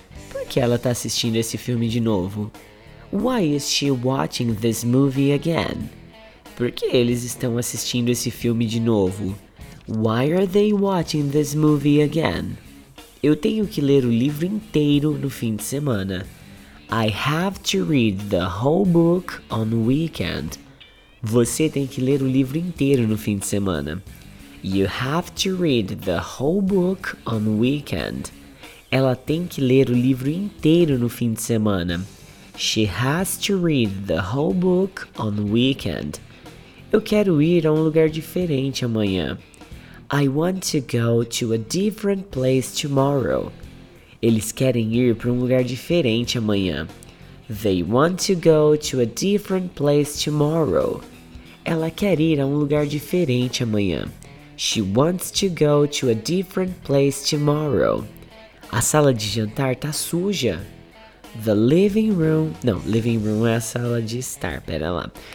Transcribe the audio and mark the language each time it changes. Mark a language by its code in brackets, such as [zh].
[pt] Por que ela tá assistindo esse filme de novo? [en] Why is she watching this movie again? [pt] Por que eles estão assistindo esse filme de novo? [en] Why are they watching this movie again? [pt] Eu tenho que ler o livro inteiro no fim de semana. [en] I have to read the whole book on weekend. [pt] Você tem que ler o livro inteiro no fim de semana. [en] You have to read the whole book on weekend. [pt] Ela tem que ler o livro inteiro no fim de semana. [en] She has to read the whole book on weekend. [pt] Eu quero ir a um lugar diferente amanhã. [en] I want to go to a different place tomorrow. [pt] Eles querem ir para um lugar diferente amanhã. [en] They want to go to a different place tomorrow. [pt] Ela quer ir a um lugar diferente amanhã. [en] She wants to go to a different place tomorrow. [pt] A sala de jantar tá suja. [en] The living room... [pt] Não, living room é a sala de estar, pera lá.